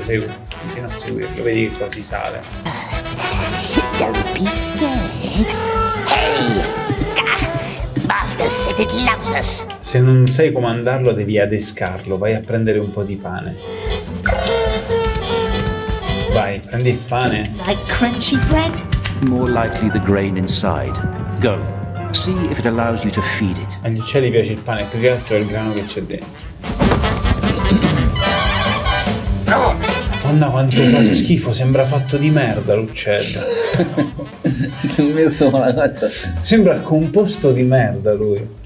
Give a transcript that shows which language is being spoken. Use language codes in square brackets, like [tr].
[it] Continua a seguirlo, vedi che quasi sale. [en] Don't be scared. Hey! Master said it loves us. [it] Se non sai comandarlo, devi adescarlo. Vai a prendere un po' di pane. Vai, prendi il pane. [en] Like crunchy bread? More likely the grain inside. Go. See if it allows you to feed it. [it] Agli uccelli piace il pane, più che altro è il grano che c'è dentro. Madonna, quanto fa schifo, sembra fatto di merda l'uccello. Mi sono messo con la faccia. Sembra composto di merda lui.